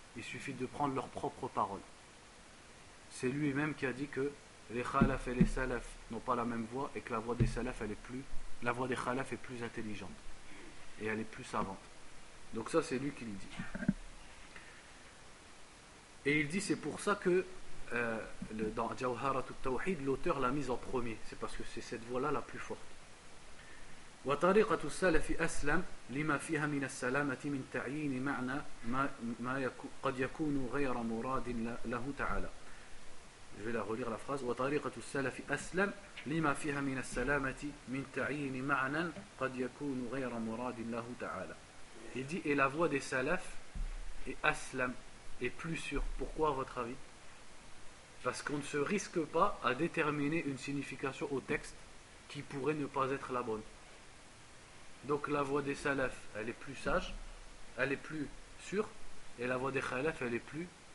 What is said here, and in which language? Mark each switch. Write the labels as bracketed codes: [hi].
[fr] Il suffit de prendre leurs propres paroles. C'est lui-même qui a dit que les khalaf et les salaf n'ont pas la même voix et que la voix des salaf, elle est plus, la voix des khalaf est plus intelligente et elle est plus savante. Donc ça, c'est lui qui le dit. Et il dit, c'est pour ça que dans Jawharatul Tawhid, l'auteur l'a mise en premier. C'est parce que c'est cette voix-là la plus forte. [ar] وطريقة السلف أسلم لما فيها من السلامة من تعيين معنى ما قد يكون غير مراد له تعالى. [fr] Je vais la relire la phrase. [ar] وطريقة السلف أسلم لما فيها من السلامة من تعيين معنى قد يكون غير مراد له تعالى. [fr] Il dit, et la voix des salaf est aslam, est plus sûre. Pourquoi à votre avis? Parce qu'on ne se risque pas à déterminer une signification au texte qui pourrait ne pas être la bonne. Donc la voix des salaf, elle est plus sage, elle est plus sûre, et la voix des khalaf, elle est plus